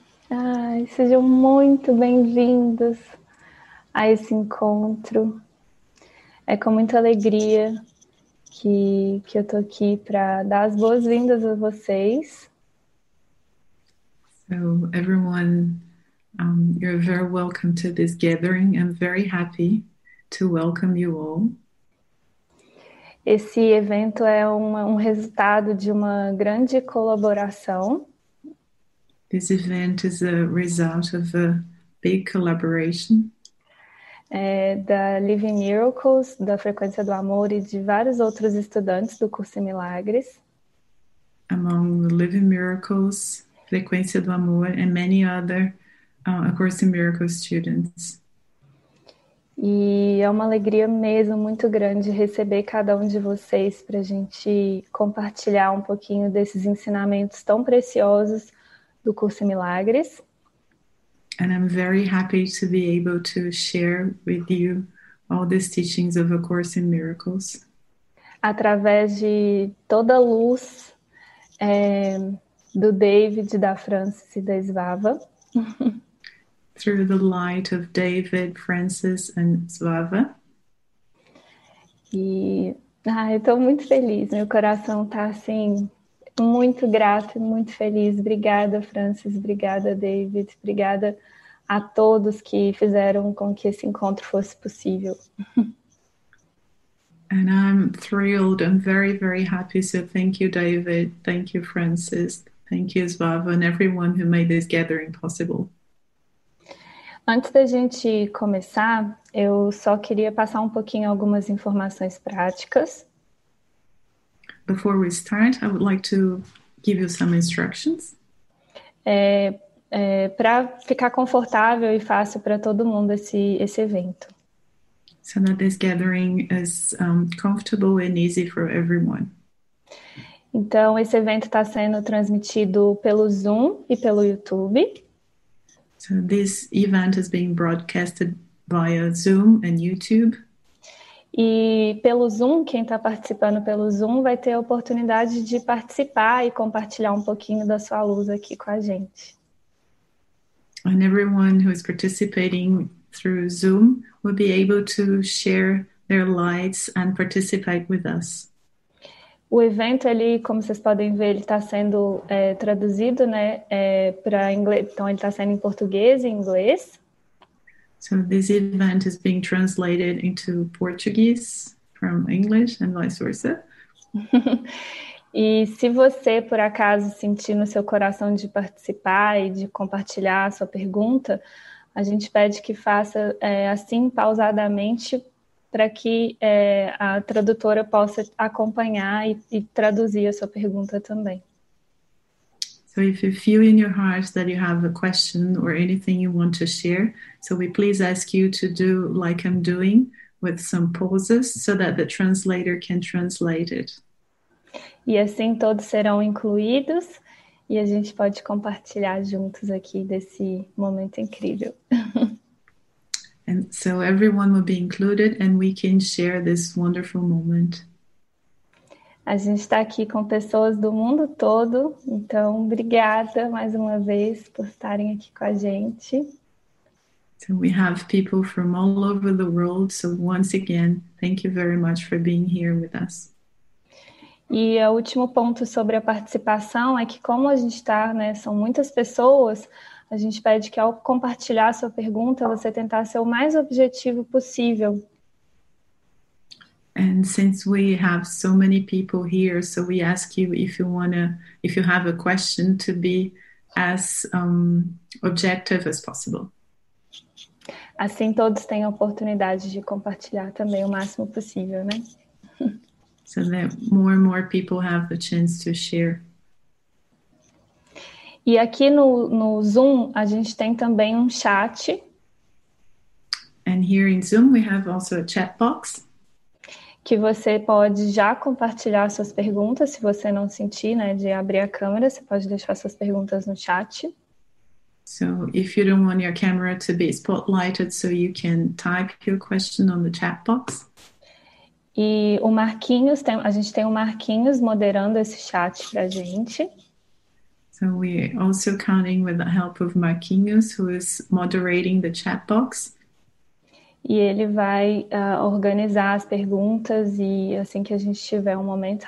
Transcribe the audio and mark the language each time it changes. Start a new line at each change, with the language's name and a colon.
Portuguese: Ai, sejam muito bem-vindos a esse encontro. É com muita alegria que eu estou aqui para dar as boas-vindas a vocês.
English: So everyone, you're very welcome to this gathering. I'm very happy to welcome you all.
Portuguese: Esse evento é um resultado de uma grande colaboração.
English: This event is a result of a big collaboration.
Portuguese: Da Living Miracles, da Frequência do Amor e de vários outros estudantes do curso em Milagres.
English: Among the Living Miracles, Frequência do Amor, and many other A Course in Miracles students.
Portuguese: E é uma alegria mesmo muito grande receber cada um de vocês para a gente compartilhar um pouquinho desses ensinamentos tão preciosos do curso em Milagres.
English: And I'm very happy to be able to share with you all these teachings of A Course in Miracles.
Portuguese: Através de toda a luz do David, da Francis e da Svava.
English: Through the light of David, Francis and Svava.
Portuguese: Eu estou muito feliz, meu coração está assim, muito grato e muito feliz. Obrigada, Francis, obrigada, David, obrigada a todos que fizeram com que esse encontro fosse possível.
English: And I'm thrilled. I'm very, very happy. So thank you, David. Thank you, Francis. Thank you, Svava, and everyone who made this gathering possible.
Portuguese: Antes da gente começar, eu só queria passar um pouquinho algumas informações práticas.
English: Before we start, I would like to give you some instructions.
Portuguese: Para ficar confortável e fácil para todo mundo esse evento.
English: So that this gathering is comfortable and easy for everyone.
Portuguese: Então, esse evento está sendo transmitido pelo Zoom e pelo YouTube.
English: So this event is being broadcasted via Zoom and YouTube.
Portuguese: E pelo Zoom, quem está participando pelo Zoom vai ter a oportunidade de participar e compartilhar um pouquinho da sua luz aqui com a gente.
English: And everyone who is participating through Zoom will be able to share their lights and participate with us.
Portuguese: O evento ali, como vocês podem ver, ele está sendo traduzido, né, para inglês. Então, ele está sendo em português e inglês.
English: So this event is being translated into Portuguese from English and vice versa.
Portuguese: E se você, por acaso, sentir no seu coração de participar e de compartilhar a sua pergunta, a gente pede que faça assim, pausadamente, para que a tradutora possa acompanhar e traduzir a sua pergunta também.
English: So, if you feel in your heart that you have a question or anything you want to share, so we please ask you to do like I'm doing with some pauses so that the translator can translate it.
Portuguese: E assim todos serão incluídos e a gente pode compartilhar juntos aqui desse momento incrível.
English: And so everyone will be included and we can share this wonderful moment.
Portuguese: A gente está aqui com pessoas do mundo todo, então obrigada mais uma vez por estarem aqui com a gente.
English: So we have people from all over the world. So once again, thank you very much for being here with us.
Portuguese: E o último ponto sobre a participação é que, como a gente está, né, são muitas pessoas, a gente pede que ao compartilhar a sua pergunta, você tentar ser o mais objetivo possível.
English: And since we have so many people here, so we ask you if you have a question, to be as objective as possible.
Portuguese: Assim todos têm a oportunidade de compartilhar também o máximo possível, né?
English: So that more and more people have the chance to share.
Portuguese: E aqui no Zoom, a gente tem também um chat.
English: And here in Zoom, we have also a chat box.
Portuguese: Que você pode já compartilhar suas perguntas, se você não sentir, né, de abrir a câmera, você pode deixar suas perguntas no chat.
English: So if you don't want your camera to be spotlighted, so you can type your question on the chat box.
Portuguese: E o Marquinhos tem, a gente tem o Marquinhos moderando esse chat para a gente.
English: So we're also counting with the help of Marquinhos, who is moderating the chat box.
Portuguese: E ele vai organizar as perguntas e assim que a gente tiver um momento.